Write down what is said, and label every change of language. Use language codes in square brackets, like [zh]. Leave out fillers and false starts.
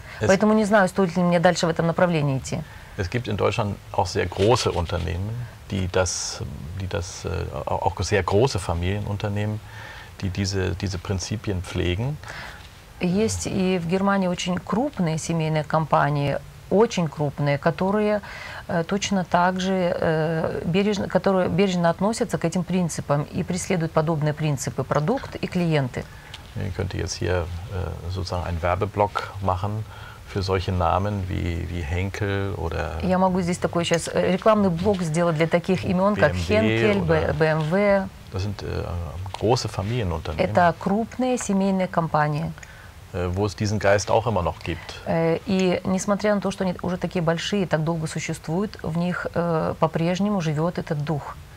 [ru] Поэтому не знаю, стоит ли мне дальше в этом направлении идти. [de] Es gibt in Deutschland auch sehr große Unternehmen, die das auch sehr große Familienunternehmen, die diese Prinzipien pflegen. [ru] Есть и в Германии очень крупные семейные компании, очень крупные, которые точно так же бережно относятся к этим принципам и преследуют подобные принципы продукт и клиенты. [de] Ich könnte jetzt hier sozusagen einen Werbeblock machen für solche Namen wie Henkel oder [ru] Я могу здесь такой сейчас рекламный блок сделать для таких имен, как Henkel, BMW. [de] Das sind große Familienunternehmen. [ru] Это крупные семейные компании. [de] Wo es diesen Geist auch immer noch gibt. [ru] И несмотря на то, что они уже такие большие, так долго существуют, в них по-прежнему живет этот дух.